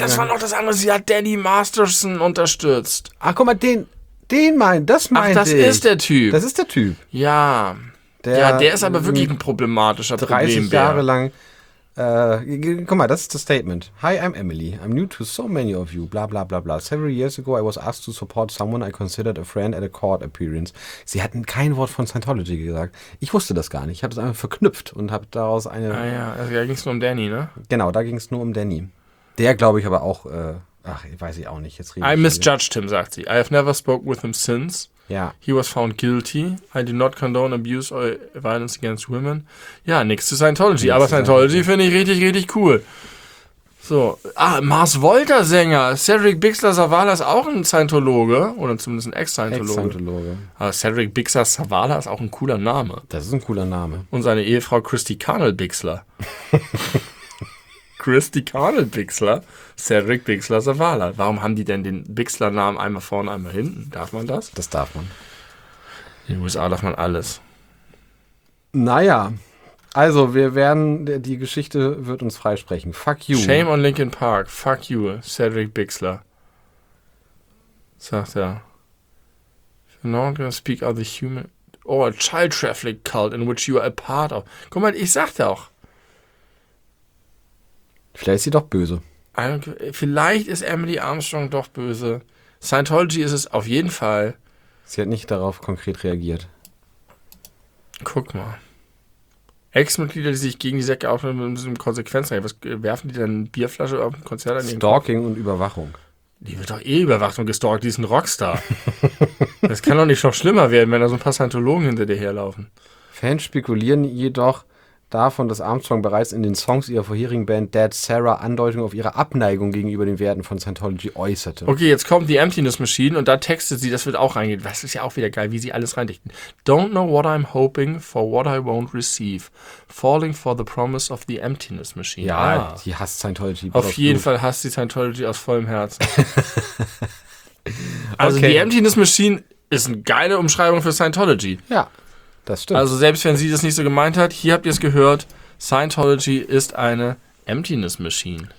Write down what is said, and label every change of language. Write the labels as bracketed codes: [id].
[de] Das war noch das andere, sie hat Danny Masterson unterstützt. Ach, guck mal, den meint, das meint ich. Ach, das ist der Typ. Das ist der Typ. Ja. Der ist aber wirklich ein problematischer Problembär. 30 Jahre lang. Guck mal, das ist das Statement. [en] Hi, I'm Emily. I'm new to so many of you. Bla, bla, bla, bla. Several years ago, I was asked to support someone I considered a friend at a court appearance. [de] Sie hatten kein Wort von Scientology gesagt. Ich wusste das gar nicht. Ich habe das einfach verknüpft und habe daraus eine... Also da ging es nur um Danny, ne? Genau, da ging es nur um Danny. Der, glaube ich, aber auch... weiß ich auch nicht. Jetzt rede [en] I misjudged him, [de] sagt sie. [en] I have never spoken with him since. [de] Ja. [en] He was found guilty. I do not condone abuse or violence against women. [de] Ja, nix zu Scientology. Aber Scientology finde ich richtig, richtig cool. So. Ah, Mars Volta-Sänger. Cedric Bixler-Zavala ist auch ein Scientologe. Oder zumindest ein Ex-Scientologe. Ex-Scientologe. Aber Cedric Bixler-Zavala ist auch ein cooler Name. Das ist ein cooler Name. Und seine Ehefrau Christy Carnell Bixler. Christy Carnell Bixler. Cedric Bixler-Zavala. Warum haben die denn den Bixler-Namen einmal vorne, einmal hinten? Darf man das? Das darf man. In den USA darf man alles. Naja, also wir werden, die Geschichte wird uns freisprechen. [en] Fuck you. Shame on Linkin Park. Fuck you, Cedric Bixler. [de] Sagt er. [en] If you're not gonna speak of the human or a child trafficking cult in which you are a part of. [de] Guck mal, ich sagte auch. Vielleicht ist sie doch böse. Vielleicht ist Emily Armstrong doch böse. Scientology ist es auf jeden Fall. Sie hat nicht darauf konkret reagiert. Guck mal. Ex-Mitglieder, die sich gegen die Säcke aufhören, müssen Konsequenzen haben. Was werfen die denn? Bierflasche auf dem Konzert an? Stalking und Überwachung. Die wird doch eh überwacht und gestalkt. Die ist ein Rockstar. Das kann doch nicht noch schlimmer werden, wenn da so ein paar Scientologen hinter dir herlaufen. Fans spekulieren jedoch davon, dass Armstrong bereits in den Songs ihrer vorherigen Band Dead Sarah Andeutungen auf ihre Abneigung gegenüber den Werten von Scientology äußerte. Okay, jetzt kommt die Emptiness Machine und da textet sie, das wird auch reingehen. Das ist ja auch wieder geil, wie sie alles reindichten. [en] Don't know what I'm hoping for what I won't receive. Falling for the promise of the Emptiness Machine. [de] Ja, die hasst Scientology. Auf jeden Fall hasst sie Scientology aus vollem Herzen. Also okay. Die Emptiness Machine ist eine geile Umschreibung für Scientology. Ja. Das stimmt. Also selbst wenn sie das nicht so gemeint hat, hier habt ihr es gehört, Scientology ist eine Emptiness Machine.